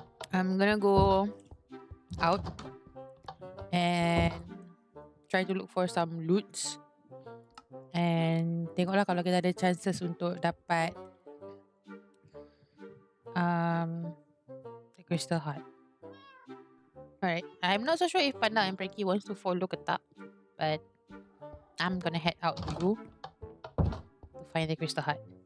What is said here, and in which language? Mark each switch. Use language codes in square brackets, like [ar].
[en] I'm gonna go out and try to look for some loots. [ms] And tengoklah kalau kita ada chances untuk dapat [en] the crystal heart. Alright, I'm not so sure if Panda and Frankie wants to follow [ms] ke tak, [en] but I'm gonna head out to you to find the crystal heart.